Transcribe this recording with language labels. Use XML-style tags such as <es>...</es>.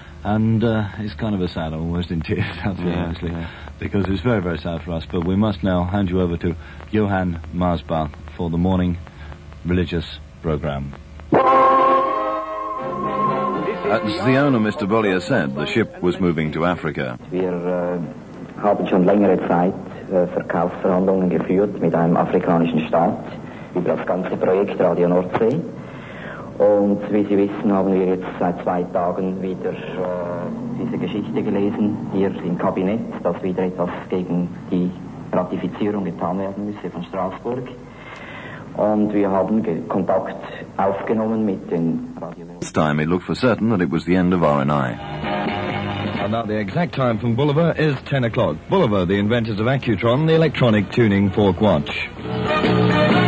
<en>And it's kind of a sad, almost in tears, obviously, because it's very, very sad for us. But we must now hand you over to Johann Marsbach for the morning religious program. At Ziona, Mr. Bollier said the ship was moving to Africa.</en> <de>Haben schon längere Zeit Verkaufsverhandlungen geführt mit einem afrikanischen Staat über das ganze Projekt Radio Nordsee. Und wie Sie wissen, haben wir jetzt seit zwei Tagen wieder diese Geschichte gelesen, hier im Kabinett, dass wieder etwas gegen die Ratifizierung getan werden müsse von Straßburg. Und wir haben Kontakt aufgenommen mit den Radio...</de> <en>This time it looked for certain that it was the end of R&I. And now the exact time from Bulova is 10 o'clock. Bulova, the inventors of Accutron, the electronic tuning fork watch.</en>